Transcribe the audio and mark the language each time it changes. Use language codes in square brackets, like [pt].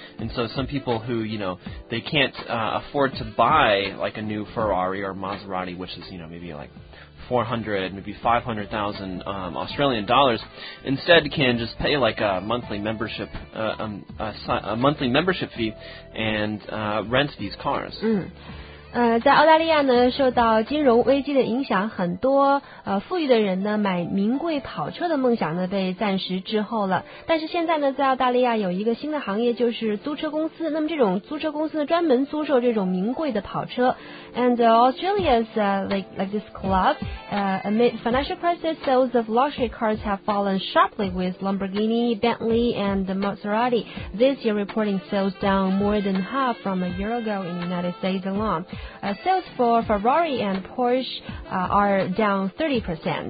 [en] And so some people who, you know, they can't afford to buy like a new Ferrari or Maserati, which is, you know, maybe like 400, maybe 500,000 Australian dollars, instead can just pay like a monthly membership fee and rent these cars. Mm. [zh] 在澳大利亚呢，受到金融危机的影响，很多富裕的人呢，买名贵跑车的梦想呢，被暂时滞后了。但是现在呢，在澳大利亚有一个新的行业，就是租车公司。那么这种租车公司呢，专门租售这种名贵的跑车。 [en] And Australia's like this club, amid financial crisis, sales of luxury cars have fallen sharply, with Lamborghini, Bentley, and Maserati this year reporting sales down more than half from a year ago in the United States alone. Sales for Ferrari and Porsche are down 30%.